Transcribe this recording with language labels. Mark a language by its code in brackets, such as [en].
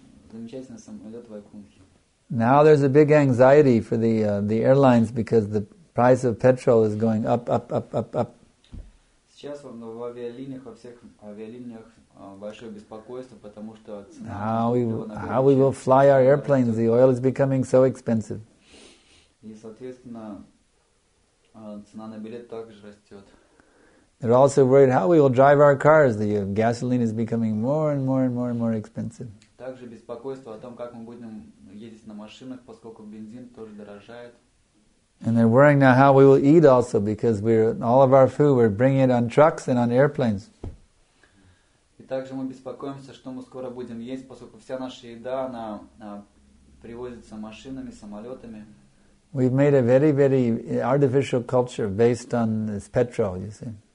[ru] Замечательный самолет Вайкунтхи. [en] Now there's a big anxiety for the airlines because the price of petrol is going up, up, up, up, up. [ru] Сейчас в авиалиниях, во всех авиалиниях большое беспокойство, потому что цена... [en] How we will fly our airplanes? The oil is becoming so expensive. [ru] И, соответственно, цена на билет также растет. [en] They're also worried how we will drive our cars. The gasoline is becoming more and more and more and more expensive. [ru] Также беспокойство о том, как мы будем ездить на машинах, поскольку бензин тоже дорожает. [en] And they're worrying now how we will eat also, because all of our food, we're bringing it on trucks and on airplanes. [ru] И также мы беспокоимся, что мы скоро будем есть, поскольку вся наша еда, она привозится машинами, самолетами. [en] We've made a very, very artificial culture based on this petrol, you see.